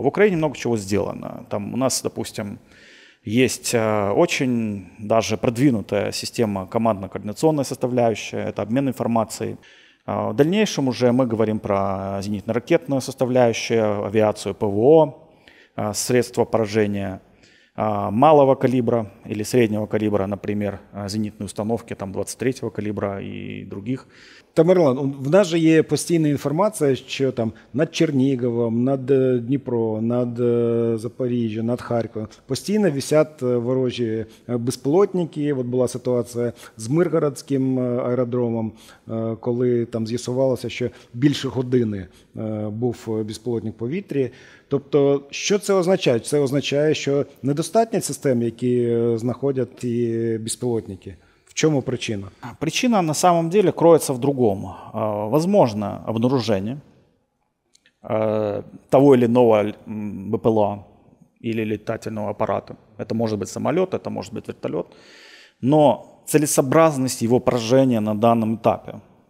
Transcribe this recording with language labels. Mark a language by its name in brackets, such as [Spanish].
[Russian] В Украине много чего сделано. Там у нас, допустим, есть очень даже продвинутая система командно-координационной составляющей. Это обмен информацией. В дальнейшем уже мы говорим про зенитно-ракетную составляющую, авиацию, ПВО, средства поражения малого калибра или среднего калибра, например, зенитные установки там 23-го калибра и других. [Ukrainian] Тамерлан, в нас же є постійна інформація, що там над Черніговом, над Дніпро, над Запоріжжя, над Харковом постійно висять ворожі безпілотники. От була ситуація з Миргородським аеродромом, коли там з'ясувалося, що більше години був безпілотник в повітрі. Тобто, що це означає? Це означає, що недостатньо систем, які знаходять ті безпілотники. [Russian] В чем причина? Причина на самом деле кроется в другом. Возможно обнаружение того или иного БПЛА или летательного аппарата. Это может быть самолет, это может быть вертолет. Но целесообразность его поражения на данном этапе.